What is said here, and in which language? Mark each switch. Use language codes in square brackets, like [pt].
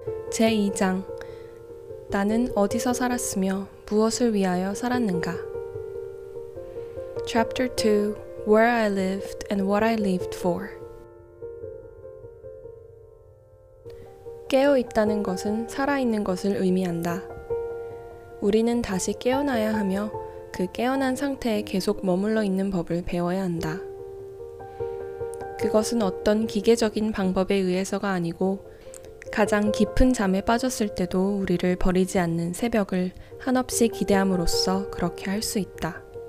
[ko] (제2장) 나는 어디서 살았으며 무엇을 위하여 살았는가? [en] Chapter 2 Where I lived and what I lived for. [ko] 깨어 있다는 것은 살아 있는 것을 의미한다. 우리는 다시 깨어나야 하며 그 깨어난 상태에 계속 머물러 있는 법을 배워야 한다. 그것은 어떤 기계적인 방법에 의해서가 아니고 가장 깊은 잠에 빠졌을 때도 우리를 버리지 않는 새벽을 한없이 기대함으로써 그렇게 할 수 있다.